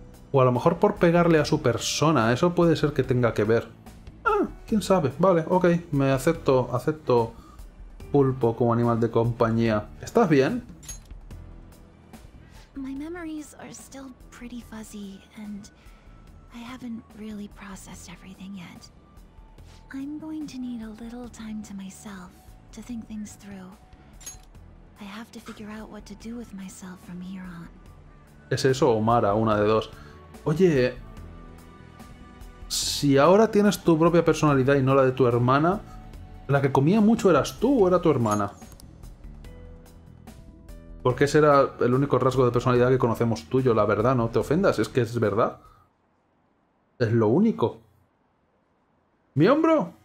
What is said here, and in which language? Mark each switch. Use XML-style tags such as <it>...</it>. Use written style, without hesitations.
<es>O a lo mejor por pegarle a su persona, eso puede ser que tenga que ver. Ah, quién sabe, vale, ok, me acepto pulpo como animal de compañía. ¿Estás bien?</es> <en>My memories are still pretty fuzzy and I haven't really processed everything yet. I'm going to need a little time to myself to think things through. I have to figure out what to do with myself from here on.</en> <es>¿Es eso o Mara, una de dos? Oye, si ahora tienes tu propia personalidad y no la de tu hermana, la que comía mucho eras tú o era tu hermana. Porque ese era el único rasgo de personalidad que conocemos tuyo, la verdad, no te ofendas, es que es verdad. Es lo único. ¿Mi hombro?</es>